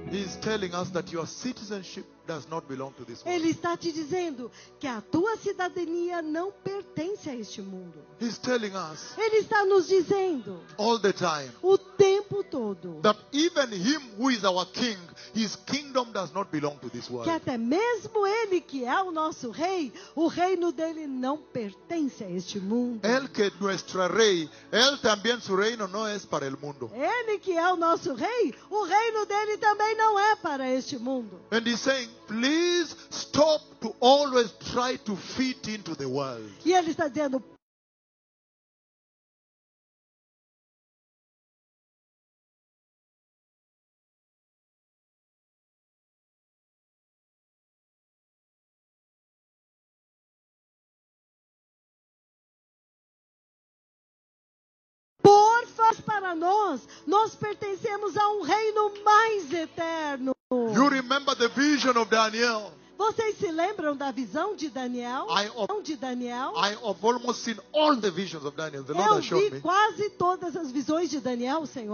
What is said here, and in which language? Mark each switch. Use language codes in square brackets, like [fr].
[en] He's telling us that your citizenship does not belong to this world. [pt] Ele está te dizendo que a tua cidadania não pertence a este mundo. [en] He's telling us. [pt] Ele está nos dizendo. [en] All the time. [pt] O tempo todo. [en] That even him who is our king, his kingdom does not belong to this world. [pt] Que até mesmo ele que é o nosso rei, o reino dele não pertence a este mundo. [es] El que nuestro rey, él también su reino no es para el mundo. [pt] Ele que é o nosso rei, o reino dele também não é para este mundo. [en] And he's saying, please stop to always try to fit into the world. [pt] E ele está dizendo, para nós, nós pertencemos a um reino mais eterno. [en] You remember the vision of Daniel? [pt] Vocês se lembram da visão de Daniel? [en] I have almost seen all the visions of Daniel. The Lord has shown me. [pt] Eu vi quase todas as visões de Daniel, Senhor.